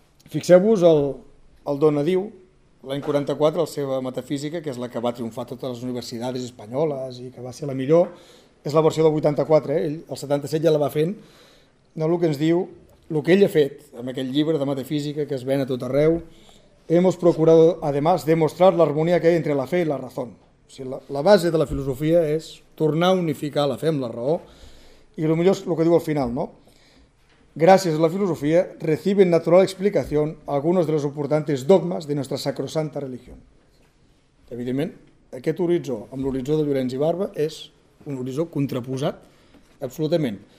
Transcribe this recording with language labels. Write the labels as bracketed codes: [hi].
[ca] Fixeu-vos el Donadiu, l'any 44, la seva metafísica, que és la que va triomfar a totes les universitats espanyoles i que va ser la millor, és la versió del 84, ell el 77 ja la va fent, no el que ens diu, el que ell ha fet amb aquell llibre de metafísica que es ven a tot arreu. [es] Hemos procurado, además, demostrar [ca] l'harmonia que hi ha entre la fe i la raó. O sigui, la base de la filosofia és tornar a unificar la fe amb la raó, i el millor és el que diu al final, no? Gràcies a la filosofia [es] reciben natural explicació algunos de los importantes dogmas de nuestra sacrosanta religión. [ca] Evidentment, aquest horitzó amb l'horitzó de Llorenç i Barba és un horitzó contraposat absolutament.